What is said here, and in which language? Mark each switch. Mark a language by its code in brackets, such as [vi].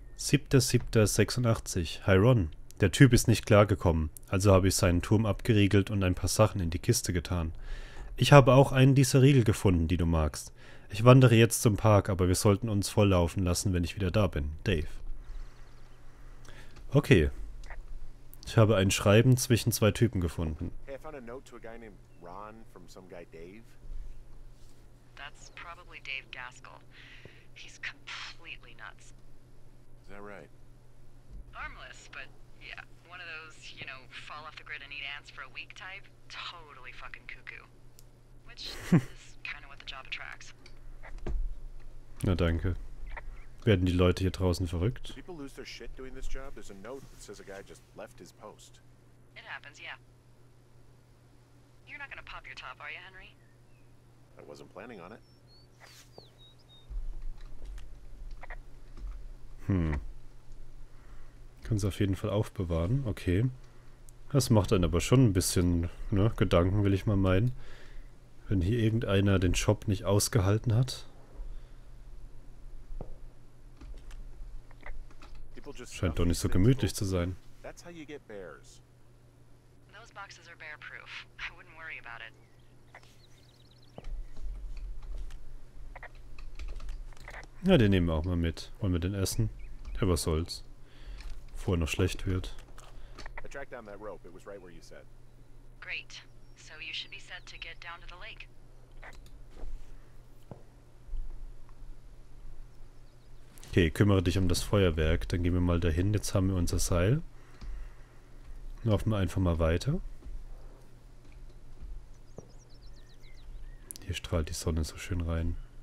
[de] Hi Ron. Der Typ ist nicht klargekommen, also habe ich seinen Turm abgeriegelt und ein paar Sachen in die Kiste getan. Ich habe auch einen dieser Riegel gefunden, die du magst. Ich wandere jetzt zum Park, aber wir sollten uns volllaufen lassen, wenn ich wieder da bin. Dave. Okay. Ich habe ein Schreiben zwischen zwei Typen gefunden. [en] Hey, I found a note to a guy named Ron from some guy Dave. That's probably Dave Gaskell. He's completely nuts. Is that right? Armless, but... yeah, one of those, you know, fall off the grid and eat ants for a week type? Totally fucking cuckoo. Which is kind of what the job attracts. [de] Na danke. Werden die Leute hier draußen verrückt? [en] People lose their shit doing this job? There's a note that says a guy just left his post. It happens, yeah. You're not gonna pop your top, are you, Henry? I wasn't planning on it. [de] Können sie auf jeden Fall aufbewahren. Okay. Das macht dann aber schon ein bisschen, ne, Gedanken, will ich mal meinen. Wenn hier irgendeiner den Shop nicht ausgehalten hat. Scheint doch nicht so gemütlich zu sein. [en] That's how you get bears. Those boxes are bear-proof. I wouldn't worry about it. [de] Na, den nehmen wir auch mal mit. Wollen wir den essen? Ja, was soll's. Bevor er noch schlecht wird. [en] I tracked down that rope. It was right where you said. Great. So you should be set to get down to the lake. [de] Okay, kümmere dich um das Feuerwerk. Dann gehen wir mal dahin. Jetzt haben wir unser Seil. Laufen wir einfach mal weiter. Hier strahlt die Sonne so schön rein.